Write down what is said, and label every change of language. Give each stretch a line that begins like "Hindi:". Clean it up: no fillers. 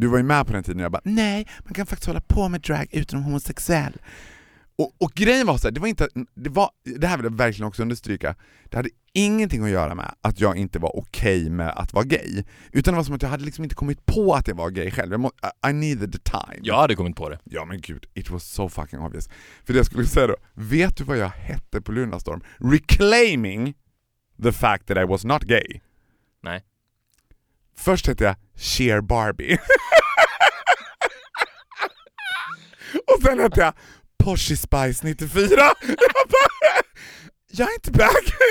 Swedish: Du var ju med på den tiden, och jag bara, nej, man kan faktiskt hålla på med drag utan att vara homosexuell. Och grejen var så här, det här vill jag verkligen också understryka. Det hade ingenting att göra med att jag inte var okej med att vara gay. Utan det var som att jag hade liksom inte kommit på att jag var gay själv.
English: I needed the time.
Swedish: Jag hade kommit på det. Ja, men gud,
English: it was so fucking obvious.
Swedish: För det jag skulle säga då, vet du vad jag hette på Lunarstorm?
English: Reclaiming the fact that I was not gay.
Swedish: Nej. Först hette jag Sheer Barbie. Och sen hette jag Porsche Spice 94. Jag är inte back.